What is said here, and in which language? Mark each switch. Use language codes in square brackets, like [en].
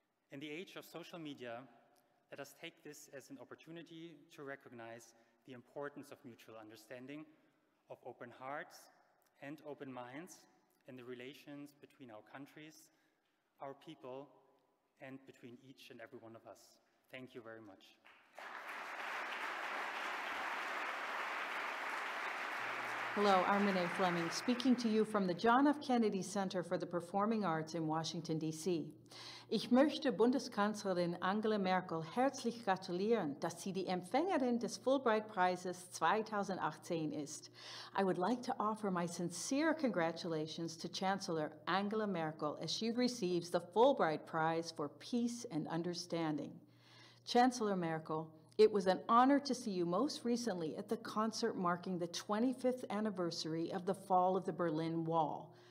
[en] In the age of social media, let us take this as an opportunity to recognize the importance of mutual understanding, of open hearts and open minds in the relations between our countries, our people, and between each and every one of us. Thank you very much. Hello, Armin A. Fleming, speaking to you from the John F. Kennedy Center for the Performing Arts in Washington, D.C. [de] Ich möchte Bundeskanzlerin Angela Merkel herzlich gratulieren, dass sie die Empfängerin des Fulbright Prizes 2018 ist. [en] I would like to offer my sincere congratulations to Chancellor Angela Merkel as she receives the Fulbright Prize for Peace and Understanding. Chancellor Merkel, it was an honor to see you most recently at the concert marking the 25th anniversary of the fall of the Berlin Wall.